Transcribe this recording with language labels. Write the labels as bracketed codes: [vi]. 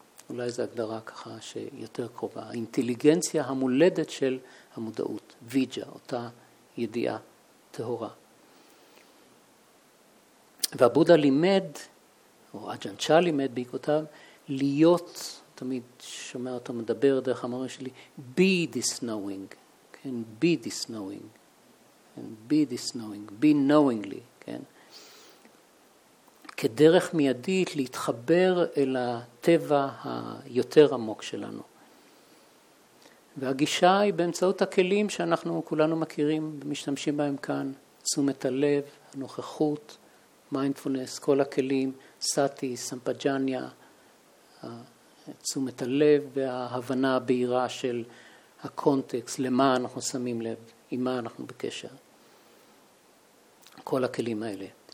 [he] אולי זו הגדרה ככה שיותר קרובה, האינטליגנציה המולדת של המודעות, ויג'ה, אותה ידיעה טהורה. והבודה לימד, או אג'ן צ'ה לימד בעקבותיו, להיות, תמיד שומע אותו מדבר דרך המורה שלי, [en] be this knowing, [he] כן? [en] be this knowing, [he] כן? [en] be this knowing, be knowingly, כן? [he] כדרך מיידית להתחבר אל הטבע היותר עמוק שלנו. והגישה היא באמצעות הכלים שאנחנו כולנו מכירים ומשתמשים בהם כאן, תשומת הלב, הנוכחות, מיינדפולנס, כל הכלים, סאטי, סמפג'ניה, תשומת הלב וההבנה הבהירה של הקונטקסט, למה אנחנו שמים לב, עם מה אנחנו בקשר. כל הכלים האלה.